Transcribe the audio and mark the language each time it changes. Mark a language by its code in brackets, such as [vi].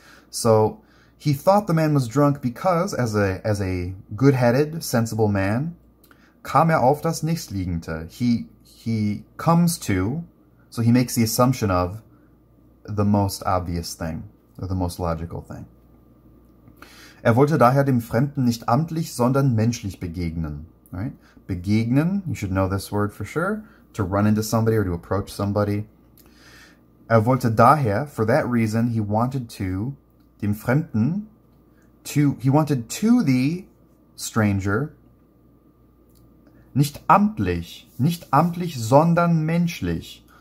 [en] So he thought the man was drunk because, as a good-headed, sensible man, [de] kam auf das Nächstliegende. [en] He comes to, so he makes the assumption of the most obvious thing, or the most logical thing. [de] Wollte daher dem Fremden nicht amtlich, sondern menschlich begegnen. [en] Right? Begegnen, you should know this word for sure, to run into somebody or to approach somebody. [de] Wollte daher, [en] for that reason, he wanted to, [de] dem Fremden, [en] to, he wanted to the stranger, [de] nicht amtlich, sondern menschlich.